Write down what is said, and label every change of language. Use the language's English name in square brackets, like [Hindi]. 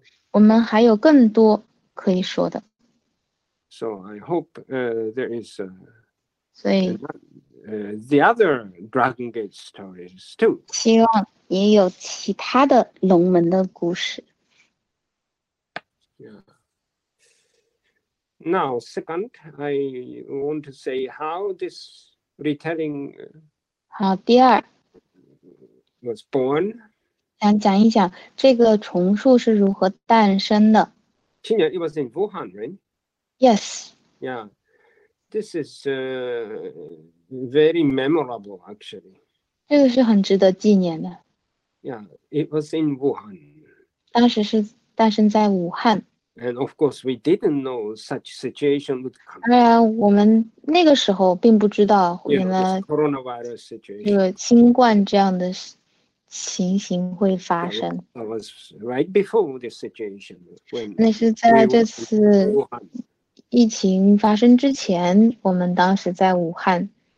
[Chinese] 我们还有更多可以说的。 [English] So I hope there is a. [Chinese] 所以。 [English] The other Dragon Gate stories too. [Chinese] 希望也有其他的龙门的故事. [English] Yeah. Now, second, I want to say how this retelling. [Chinese] 好，第二. [English] Was born. [Chinese] 想讲一讲这个重塑是如何诞生的. 去年 [English] it was in Wuhan, right? Yes. Yeah. This is very memorable, actually. [Chinese] 这个是很值得纪念的. [English] Yeah, it was in Wuhan. [Chinese] 当时是诞生在武汉. [English] And of course, we didn't know such situation would come. [Chinese] 当然，我们那个时候并不知道原来 [English] coronavirus situation [Chinese] 这个新冠这样的情形会发生. [English] That was right before the situation when. [Chinese] 那是在这次 疫情发生之前，我们当时在武汉。